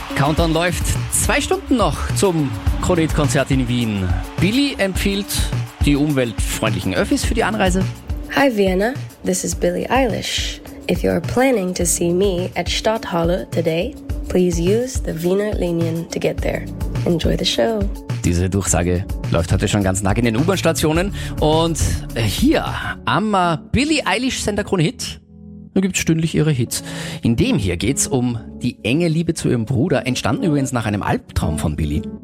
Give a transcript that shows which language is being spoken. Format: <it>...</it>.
<de>Countdown läuft 2 Stunden noch zum Krone Hit Konzert in Wien. Billy empfiehlt die umweltfreundlichen Öffis für die Anreise.</de> <en>Hi Vienna, this is Billie Eilish. If you are planning to see me at Stadthalle today, please use the Wiener Linien to get there. Enjoy the show.</en> <de>Diese Durchsage läuft heute schon ganz nah in den U-Bahn-Stationen. Und hier am Billie Eilish Sender Krone Hit. Da gibt es stündlich ihre Hits. In dem hier geht's um die enge Liebe zu ihrem Bruder, entstanden übrigens nach einem Albtraum von Billie.</de>